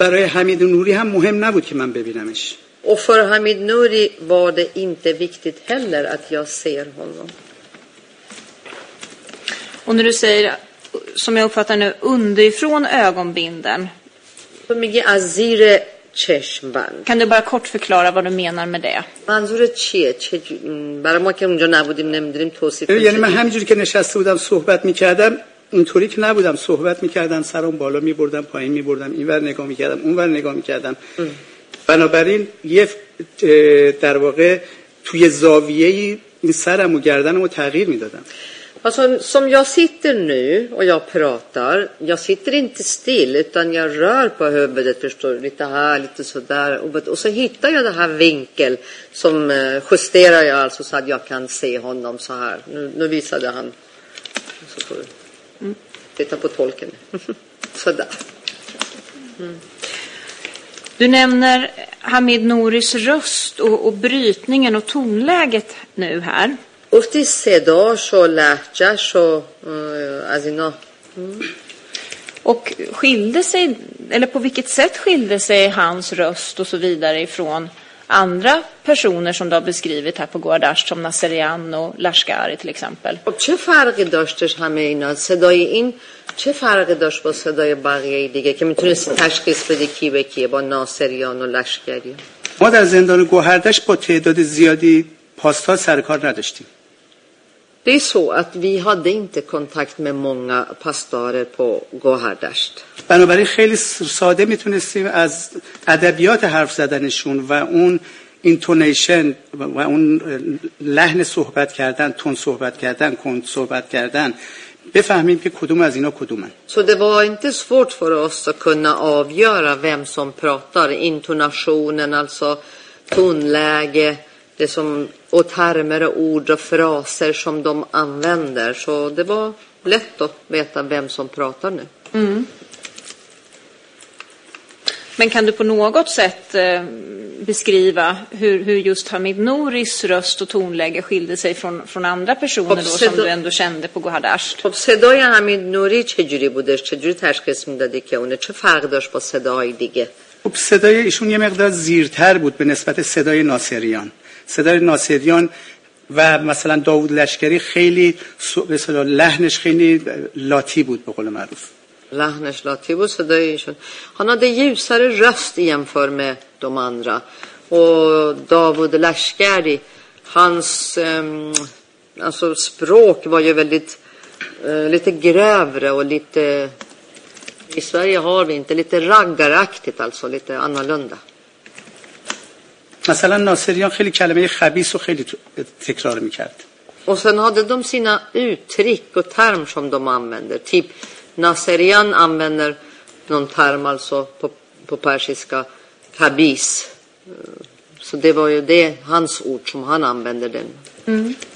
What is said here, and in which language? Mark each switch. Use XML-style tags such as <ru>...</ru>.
<fa>برای حمید نوری هم مهم نبود که من ببینمش. و فر</fa> <sv>حمید نوری var det inte viktigt heller att jag ser honom. Och när du säger som jag uppfattar nu underifrån ögonbinden. För mig är</sv> <fa>zire چشمبند.</fa> <sv>Kan du bara kort förklara vad du menar med det?</sv> <fa>منظور چیه؟ برای ما که اونجا نبودیم نمیدونیم توصیف کنیم. یعنی من همینجوری که نشسته بودم صحبت میکردم اینطوری که نبودم صحبت میکردم سرم بالا میبردم پایین میبردم اینور نگاه میکردم اونور نگاه میکردم بنابراین یه در واقع توی زاویه این سرم و گردنم رو تغییر میدادم</fa> <sv>Alltså, som jag sitter nu och jag pratar, jag sitter inte still utan jag rör på huvudet, förstår du, lite här, lite så där. Och så hittar jag den här vinkel som justerar jag alltså så att jag kan se honom så här. Nu visade han, så får du titta på tolken, så där. Mm. Du nämner Hamid Norys röst och brytningen och tonläget nu här.</sv> <fa>افتی صداش و لحجهش و از اینا</fa> <sv>och skilde sig eller på vilket sätt skilde sig hans röst och så vidare ifrån andra personer som du har beskrivit här på Gårdasht som Nasserian och Lashkari till exempel.</sv> <fa>Och چه فرقی داشتش همه اینا؟ صدای این چه فرقی داشت با صدای بقیه دیگه که میتونست تشخیص بدی کی به کیه با ناصریان و لشکری؟ ما در زندان گوهردشت با تعداد زیادی پاسدار سرکار نداشتیم.</fa> <sv>Det är så att vi hade inte kontakt med många pastorer på Gohardasht.</sv> <fa>بنابراین خیلی ساده میتونستیم از ادبیات حرف زدنشون و اون اینتونیشن و اون لحن صحبت کردن، تون صحبت کردن، کند صحبت کردن بفهمیم که کدوم از اینا کدومن.</fa> <sv>Så det var inte svårt för oss att kunna avgöra vem som pratar, intonationen, alltså tonläge. Det som och termer och ord och fraser som de använder. Så det var lätt att veta vem som pratar nu. Mm. Men kan du på något sätt beskriva hur just Hamid Nouris röst och tonläge skilde sig från andra personer då, som du ändå kände på Gohardasht?</sv> <fa>Och sedaj Hamid Nouri, چجوری بودش؟ چجوری تشخیص میدادی که اونه؟ چه فرق داشت با صدای دیگه؟ خب صدای ایشون یه مقدار زیرتر بود به نسبت صدای ناصریان. صدای ناصریان و مثلا داوود لشکری خیلی مثلا لحنش خیلی لاتی بود به قول معروف. لحنش لاتی بود صدای ایشون.</fa> <sv>Han hade ljusare röst jämfört med de andra. Och David Lashkari, hans alltså språk var ju väldigt lite grövre och lite i Sverige har vi inte lite raggaraktigt alltså lite annorlunda.</sv> <fa>مثلا ناصریان خیلی کلمه خبیث و خیلی تکرار میکرد.</fa> <sv>و sen hade de sina uttryck och term som de använder. Typ ناصریان använder någon term alltså på persiska khabis. Så det var ju det hans ord som han använde den. Mm.</sv>